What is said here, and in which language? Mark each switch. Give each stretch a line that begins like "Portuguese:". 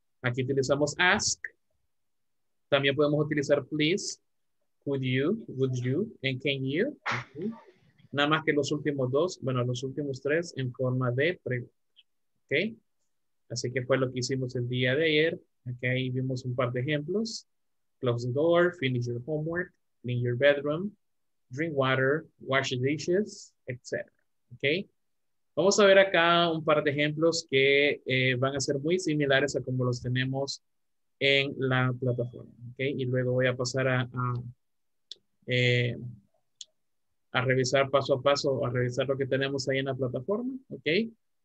Spanish: Aquí utilizamos ask. También podemos utilizar
English: please, would you, and can you.
Spanish: ¿Okay? Nada más que los últimos dos, bueno, los últimos tres en forma de pregunta. ¿Ok? Así que fue lo que hicimos el día de ayer. Aquí ahí vimos un par de ejemplos.
English: Close the door, finish your homework. Clean your bedroom, drink water, wash your dishes, etc. Okay.
Spanish: Vamos a ver acá un par de ejemplos que van a ser muy similares a como los tenemos en la plataforma. Okay. Y luego voy a pasar a revisar paso a paso, a revisar lo que tenemos ahí en la plataforma. Okay.